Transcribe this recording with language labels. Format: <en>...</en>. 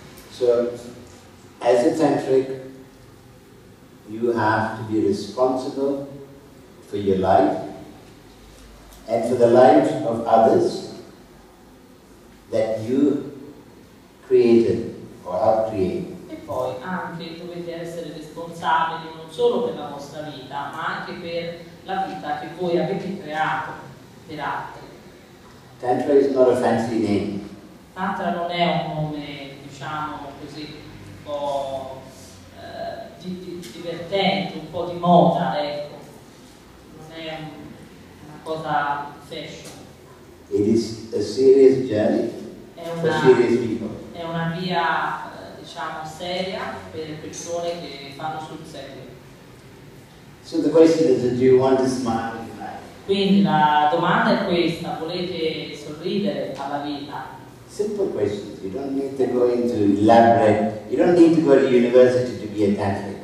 <en>So, as a tantric, you have to be responsible for your life and for the life of others that you created or helped create.</en> <it>Poi anche dovete essere responsabili non solo per la vostra vita, ma anche per la vita che voi avete creato per altri.</it> <en>Tantra is not a fancy name.</en> <it>Tantra non è un nome, diciamo così, un po' divertente, un po' di moda, ecco. Non è una cosa fashion.</it> <en>It is a serious journey for serious people.</en> <it>È una via, diciamo, seria per persone che fanno sul serio.</it> <en>So the question is, do you want to smile in life?</en> <it>Quindi la domanda è questa, volete sorridere alla vita?</it> <en>Simple questions. You don't need to go into elaborate. You don't need to go to university to be a Catholic.</en>